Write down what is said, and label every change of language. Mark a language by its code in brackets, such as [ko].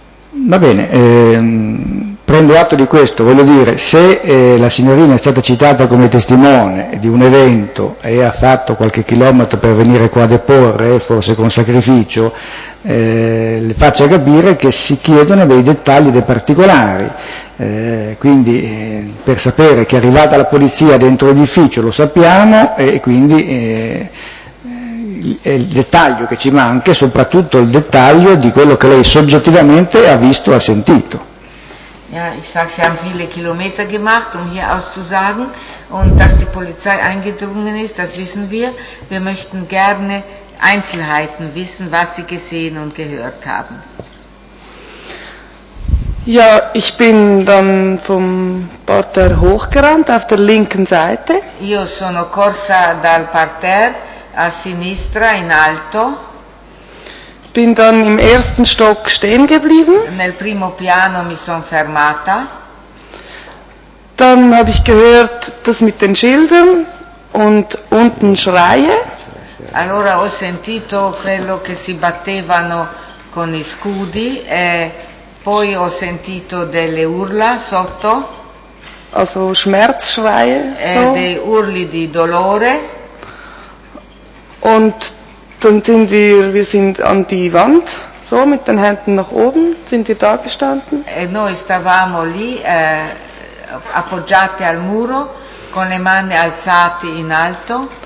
[it] Va bene, prendo atto di questo. Voglio dire, se la signorina è stata citata come testimone di un evento e ha fatto qualche chilometro per venire qua a deporre, forse con sacrificio, le faccia capire che si chiedono dei dettagli, dei particolari. Quindi per sapere che è arrivata la polizia dentro l'edificio lo sappiamo, e quindi il dettaglio che ci manca è soprattutto il dettaglio di quello che lei soggettivamente ha visto, ha sentito. [de] Ja, ich sag, sie haben viele Kilometer gemacht, um hier auszusagen, und dass die Polizei eingedrungen ist, das wissen wir. Wir möchten gerne Einzelheiten wissen, was sie gesehen und gehört haben. Ja, ich bin dann vom Parterre hochgerannt auf der linken Seite. [it] Io sono corsa dal parterre a sinistra in alto. [de] Bin dann im ersten Stock stehen geblieben. [it] Nel primo piano mi son fermata. [de] Dann habe ich gehört, das mit den Schildern und unten Schreie. [it] Allora ho sentito quello che si battevano con i scudi e poi ho sentito delle urla sotto. [de] Also Schmerzschreie. [it] E [de] so. [it] Dei urli di dolore. [de] Und dann sind wir sind an die Wand, so mit den Händen nach oben, sind wir da gestanden. [it] E noi stavamo lì, appoggiati al muro, con le mani alzate in alto.